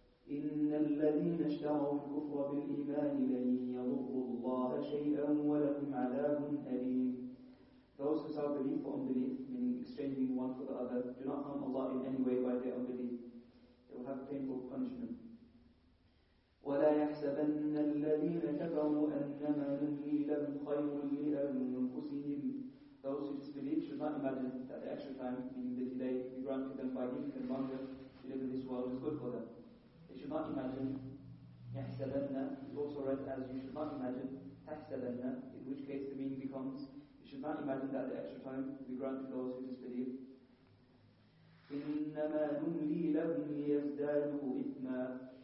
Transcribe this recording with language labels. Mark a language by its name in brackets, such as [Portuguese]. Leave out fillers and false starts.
[Arabic] إِنَّ الَّذِينَ اشْتَرَوا الْكُفْرَ بِالْإِيمَانِ لَنْ يَضُرُّوا اللَّهَ شَيْئًا وَلَهُمْ عَذَابٌ أَلِيمٌ. [English] Those who sell belief for unbelief, meaning exchanging one for the other, do not harm Allah in any way by their unbelief. They will have painful punishment. [Arabic] ولا يحسبن الذين كفروا أنما نملي لهم خير لأنفسهم. [English] Those who disbelieve should not imagine that the extra time, meaning the delay we grant to them by giving them longer to live in this world, is good for them. They should not imagine يحسبن is also read as you should not imagine تحسبن, in which case the meaning becomes you should not imagine that the extra time we grant to those who disbelieve. [Arabic] إنما نملي لهم ليزدادوا إثما.